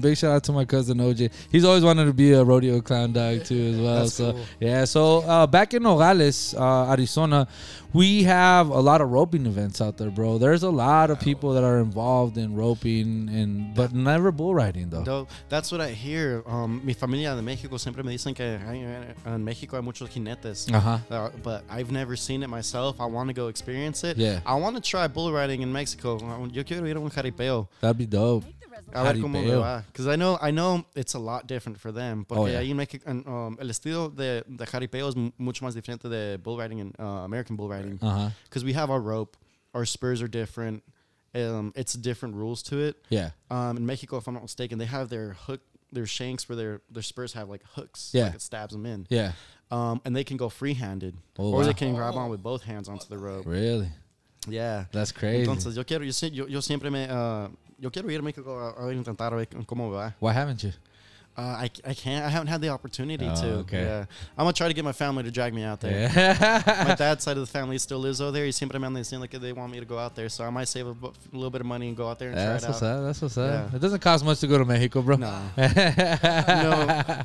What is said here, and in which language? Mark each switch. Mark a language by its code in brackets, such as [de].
[en] Big shout out to my cousin, OJ. He's always wanted to be a rodeo clown dog, too, as well. That's so cool. Yeah, so back in Nogales, Arizona, we have a lot of roping events out there, bro. There's a lot of people that are involved in roping, but never bull riding, though. That's what I hear. [es] Mi familia de México siempre me dicen que en México hay muchos jinetes. Uh-huh. [en] But I've never seen it myself. I want to go experience it. Yeah. I want to try bull riding in Mexico. [es] Yo quiero ir a un jaripeo. [en] That'd be dope. Because I know it's a lot different for them. [es] Porque ahí en México, el estilo de jaripeo es mucho más diferente de [en] bull riding and American bull riding. Because we have our rope, our spurs are different. It's different rules to it. Yeah. In Mexico, if I'm not mistaken, they have their hook, their shanks where their spurs have like hooks. Yeah. Like it stabs them in. Yeah. And they can go free-handed, they can grab on with both hands onto the rope. Really? Yeah. That's crazy. [es] Entonces, yo siempre me yo quiero ir a México a intentar ver cómo va. [en] Why haven't you? I can't. I haven't had the opportunity to. Okay. Yeah. I'm going to try to get my family to drag me out there. Yeah. My dad's side of the family still lives over there. He's [es] siempre me [en] seem like they want me to go out there. So I might save a little bit of money and go out there and try it out. That's what's up. Yeah. It doesn't cost much to go to Mexico, bro. No. No.